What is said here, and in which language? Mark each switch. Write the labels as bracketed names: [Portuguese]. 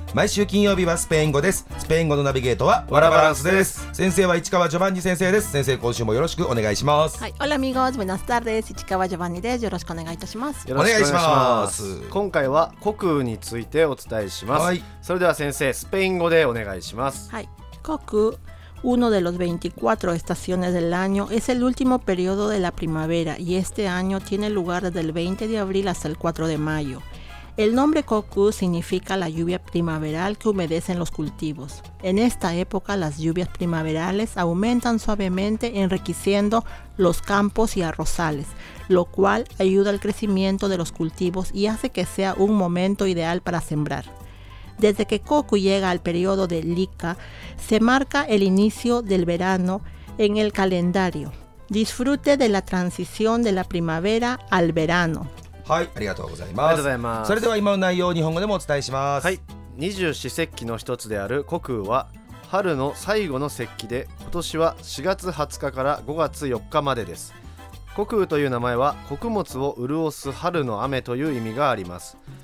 [Japanese] 毎週金曜日はスペイン語です。スペイン語のナビゲートはワラバランスです。先生は市川ジョバンニ先生です。先生、今週もよろしくお願いします。はい、オラミゴーズ、ブナスターです。市川ジョバンニです。よろしくお願いいたします。お願いします。今回は国雨についてお伝えします。はい、それでは先生、スペイン語でお願いします。はい、国雨、 [Spanish] Uno de los 24 estaciones del año es el último periodo de la primavera y este año tiene lugar desde el 20 de abril hasta el 4 de mayo. El nombre Kokku significa la lluvia primaveral que humedece los cultivos. En esta época, las lluvias primaverales aumentan suavemente enriqueciendo los campos y arrozales, lo cual ayuda al crecimiento de los cultivos y hace que sea un momento ideal para sembrar. Desde que Kokku llega al periodo de Lika, se marca el inicio del verano en el calendario. Disfrute de la transición de la primavera al verano. [Japanese] はい、ありがとうございます。ありがとうございます。それでは今の内容を日本語でもお伝えします。はい、二十四節気の一つである Kokku は春の最後の節気で、今年は4月20日から5月4日までです。 Kokkuという名前は穀物を潤す春の雨という意味があります。